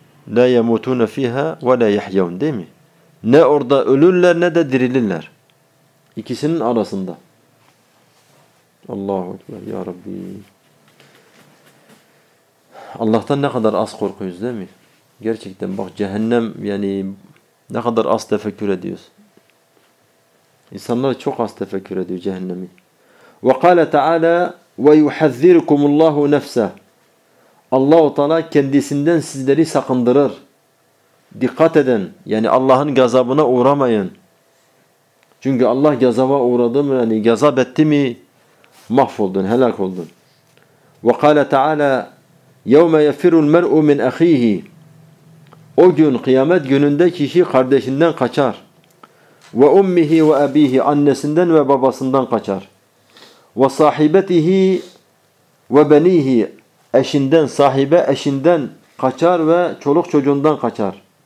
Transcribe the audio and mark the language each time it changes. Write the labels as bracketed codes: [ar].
[ar] لَا يَمُوتُونَ ف۪يهَا وَلَا يَحْيَوْنَ, [tr] değil mi? Ne orada ölürler ne de dirilirler. İkisinin arasında. Allahu Ekber ya Rabbi. Allah'tan ne kadar az korkuyoruz, değil mi? Gerçekten bak, cehennem yani ne kadar az tefekkür ediyoruz. İnsanlar çok az tefekkür ediyor cehennemi. [ar] Ve kâle ta'ala ve yuhazzirukumullahu nefseh. [tr] Allah-u Teala kendisinden sizleri sakındırır. Dikkat edin. Yani Allah'ın gazabına uğramayın. Çünkü Allah gazaba uğradı mı, yani gazap etti mi, mahvoldun, helak oldun. [ar] Ve kâle ta'ala يَوْمَ يَفِرُ الْمَرْءُ مِنْ اَخ۪يهِ. [tr] O gün, kıyamet gününde kişi kardeşinden kaçar. [ar] وَاُمِّهِ وَاَب۪يهِ. [tr] Annesinden ve babasından kaçar. [ar] وَصَاحِبَتِهِ وَبَن۪يهِ. [tr] Eşinden, sahibe eşinden kaçar ve çoluk çocuğundan kaçar.